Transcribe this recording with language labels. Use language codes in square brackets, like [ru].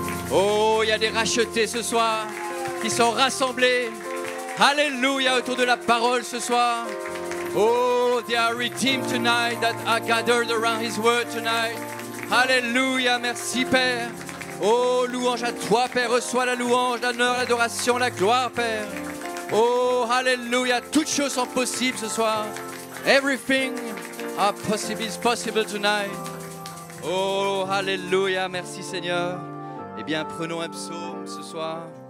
[fr] Oh, il y a des rachetés ce soir qui sont rassemblés. Alléluia autour de la parole ce soir. [en] Oh, they are redeemed tonight that are gathered around his word tonight. [fr] Alléluia, merci Père. Oh, louange à toi Père, reçois la louange, l'honneur, l'adoration, la gloire Père. Oh, alléluia, toutes choses sont possibles ce soir. [en] Everything is possible tonight. [fr] Oh, alléluia, merci Seigneur. Eh bien, prenons un psaume ce soir.